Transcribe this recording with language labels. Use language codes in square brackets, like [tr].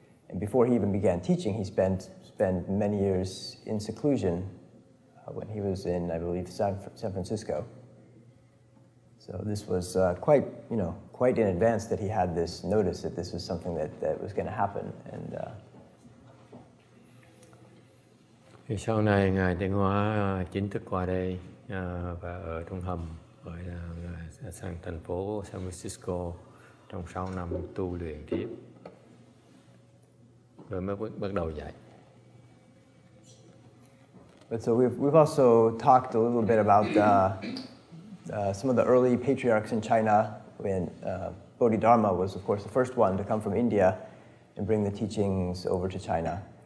[en] And before he even began teaching, he spent many years in seclusion when he was in, I believe, San Francisco. So this was quite in advance that he had this notice that this was something that was going to happen. And [vi] thì sau này ngài Tịnh Hóa chính thức qua đây và ở trong hầm gọi là sang thành phố San Francisco trong 6 năm tu luyện tiếp rồi mới bắt đầu dạy. [en] But so we've also talked a little bit about some of the early patriarchs in China, when Bodhidharma was, of course, the first one to come from India and bring the teachings over to China.